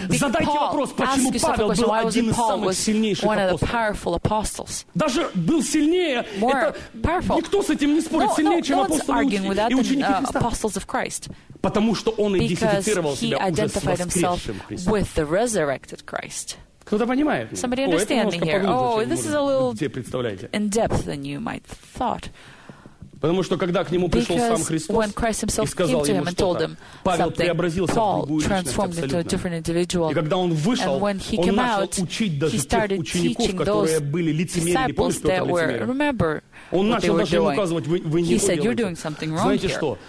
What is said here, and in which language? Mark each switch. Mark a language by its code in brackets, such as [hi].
[ru] Задайте вопрос, почему Павел был один из самых сильнейших апостолов? Даже был сильнее. Это никто с этим не спорит. Сильнее, чем апостолы и ученики Христа. Потому что он идентифицировал себя уже с воскресшим Христом. Кто-то понимает? [en] Somebody understand me here. Oh, this is a little in depth than you might thought. [ru] Потому что когда к нему пришел сам Христос и сказал ему что-то, Павел преобразился в другую личность абсолютно. И когда он вышел, он начал учить даже тех учеников, которые были лицемерными. Помнишь, Петр лицемер? Он начал даже ему указывать, вы не то делаете. Знаете что?